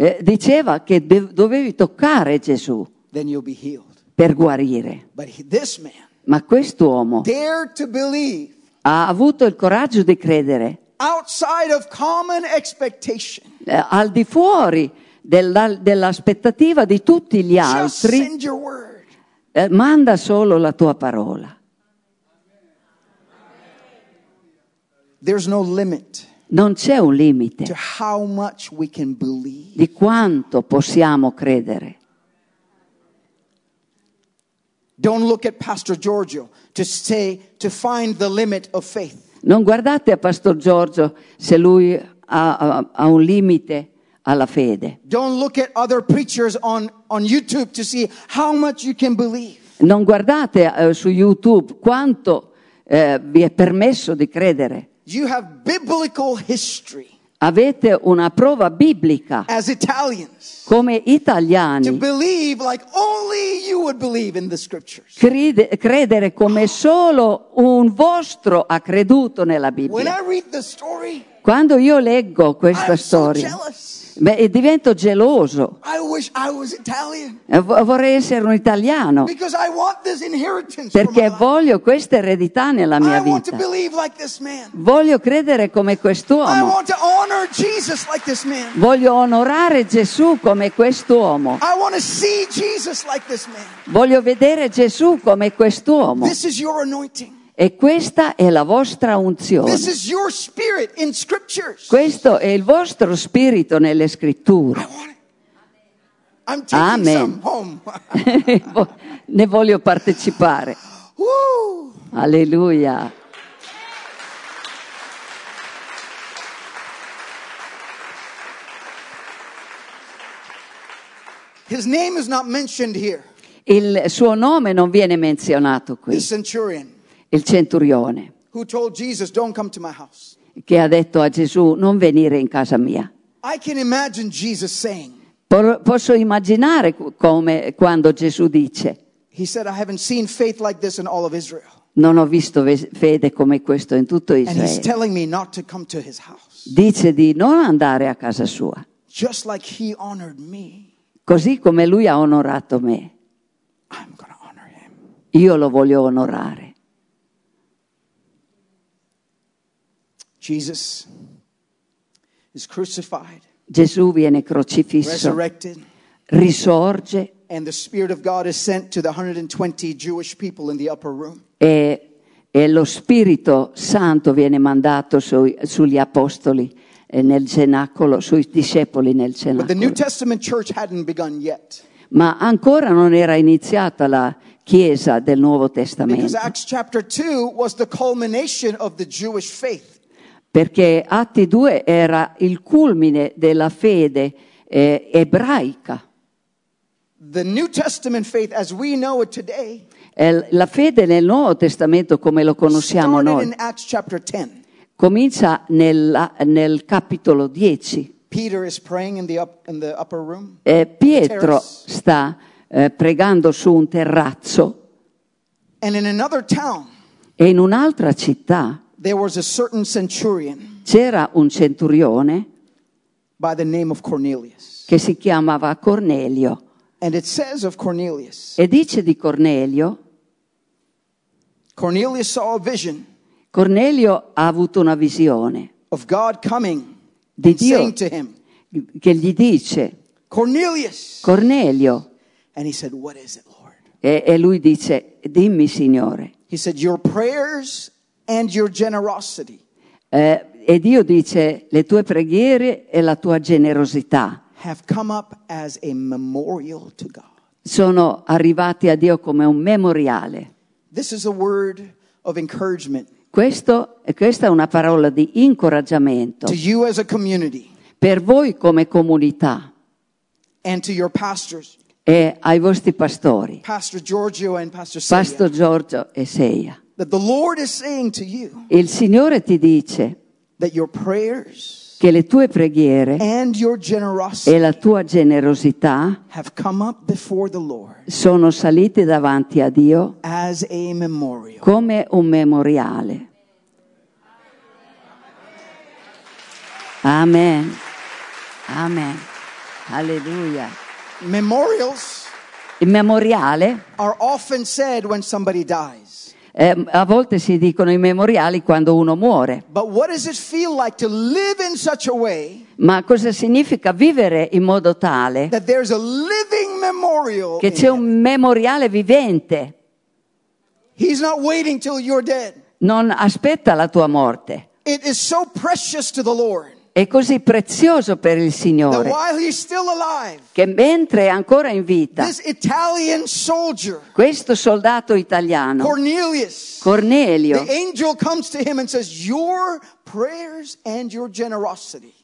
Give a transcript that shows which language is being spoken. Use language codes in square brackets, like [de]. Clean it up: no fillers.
[it] Diceva che dovevi toccare Gesù. [en] Then you'll be healed. [it] Per guarire. [en] But this man. [it] Ma quest'uomo. [en] Dared to believe. [it] Ha avuto il coraggio di credere. [en] Outside of common expectation. [it] Al di fuori dell'aspettativa di tutti gli altri. [en] Just send your word. [it] Manda solo la tua parola. [en] There's no limit. [it] Non c'è un limite. [en] To how much we can believe. [it] Di quanto possiamo credere. [en] Don't look at Pastor Giorgio to say to find the limit of faith. [it] Non guardate a Pastor Giorgio se lui ha un limite alla fede. [en] Don't look at other preachers on YouTube to see how much you can believe. [it] Non guardate su YouTube quanto vi è permesso di credere. [en] You have biblical history. [it] Avete una prova biblica. [en] As Italians, [it] come italiani. [en] To believe like only you would believe in the scriptures. [it] Credere come solo un vostro ha creduto nella Bibbia. [en] When I read the story, [it] quando io leggo questa storia, beh, divento geloso. [en] I wish I was Italian. [it] Vorrei essere un italiano. [en] Because I want this inheritance. [it] Perché voglio questa eredità nella mia vita. [en] I want to believe like this man. [it] Voglio credere come quest'uomo. [en] I want to honor Jesus like this man. [it] Voglio onorare Gesù come quest'uomo. [en] I want to see Jesus like this man. [it] Voglio vedere Gesù come quest'uomo. [en] This is your anointing. [it] E questa è la vostra unzione. [en] This is your spirit in scriptures. [it] Questo è il vostro spirito nelle scritture. [en] I'm taking Amen. Some home. [it] Ne voglio partecipare. Woo. Alleluia. [en] His name is not mentioned here. [it] Il suo nome non viene menzionato qui. [en] The centurion. [it] Il centurione. [en] Who told Jesus, don't come to my house. [it] Che ha detto a Gesù, non venire in casa mia. [en] I can imagine Jesus saying, [it] posso immaginare come quando Gesù dice. [en] He said, I haven't seen faith like this in all of Israel. [it] Non ho visto fede come questo in tutto Israele. [en] And he's telling me not to come to his house. [it] Dice di non andare a casa sua. [en] Just like he honored me. [it] Così come lui ha onorato me. [en] I'm gonna honor him. [it] Io lo voglio onorare. [en] Jesus is crucified. [it] Gesù viene crocifisso. [en] Resurrected. [it] Risorge. [en] And the Spirit of God is sent to the 120 Jewish people in the upper room. [it] E lo Spirito Santo viene mandato sugli apostoli nel cenacolo, sui discepoli nel cenacolo. [en] But the New Testament church hadn't begun yet. [it] Ma ancora non era iniziata la chiesa del Nuovo Testamento. [en] Because Acts chapter 2 was the culmination of the Jewish faith. [it] Perché Atti 2 era il culmine della fede ebraica. [en] The New Testament faith, as we know it today, [it] la fede nel Nuovo Testamento come lo conosciamo noi comincia nel capitolo 10. [en] Peter is praying in the upper room, [it] Pietro sta pregando su un terrazzo. [en] And in another town, [it] e in un'altra città [en] there was a certain centurion, [it] c'era un centurione, [en] by the name of Cornelius, [it] che si chiamava Cornelio. [en] And it says of Cornelius, [it] e dice di Cornelio, [en] Cornelius saw a vision, [it] Cornelio ha avuto una visione, [en] of God coming, [it] di [en] and [it] Dio, [en] saying to him, [it] che gli dice, [en] Cornelius, [it] Cornelio, [en] and he said, what is it, Lord? [it] E lui dice, dimmi, Signore. [en] He said, your prayers and your generosity. [it] E Dio dice le tue preghiere e la tua generosità. [en] Have come up as a memorial to God. [it] Sono arrivati a Dio come un memoriale. [en] This is a word of encouragement. [it] Questa è una parola di incoraggiamento. [en] To you as a community. [it] Per voi come comunità. [en] And to your pastors. [it] E ai vostri pastori. [en] Pastor Giorgio and Pastor Seiya. [it] Pastor Giorgio e Seiya. [en] That the Lord is saying to you, [it] il Signore ti dice, [en] that your prayers, [it] che le tue preghiere, [en] and your generosity, [it] e la tua generosità, [en] have come up before the Lord, [it] sono salite davanti a Dio, [en] as a memorial, [it] come un memoriale. Amen. Amen. Alleluia. [en] Memorials, [it] il memoriale, [en] are often said when somebody dies. [it] A volte si dicono i memoriali quando uno muore. [en] But what does it feel like to live in such a way? [it] Ma cosa significa vivere in modo tale? [en] That there's a living memorial. [it] Che c'è un memoriale vivente. [en] He's not waiting till you're dead. [it] Non aspetta la tua morte. [en] It is so precious to the Lord. [it] è così prezioso per il Signore. [en] That while he's still alive, [it] che mentre è ancora in vita, [en] this Italian soldier, [it] questo soldato italiano, [en] Cornelius, [it] Cornelio, [en] the angel comes to him and says, "Your prayers and your generosity."